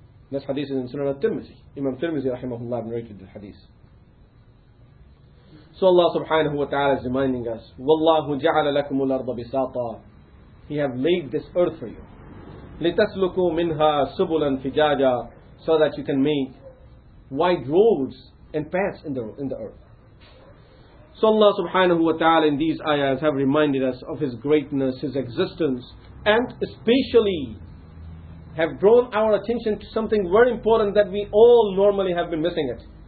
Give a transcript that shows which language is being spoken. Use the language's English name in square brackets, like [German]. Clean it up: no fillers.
[English] This hadith is in Sunan al-Tirmizi. Imam Tirmizi rahimahullah narrated the hadith. So Allah subhanahu wa ta'ala is reminding us, [Arabic] وَاللَّهُ جَعَلَ لَكُمُ الْأَرْضَ بِسَاطًا. [English] He have made this earth for you. [Arabic] لِتَسْلُكُوا مِنْهَا سُبُلًا فِجَاجًا. [English] So that you can make wide roads and paths in the earth. So Allah subhanahu wa ta'ala in these ayahs have reminded us of His greatness, His existence, and especially have drawn our attention to something very important that we all normally have been missing it.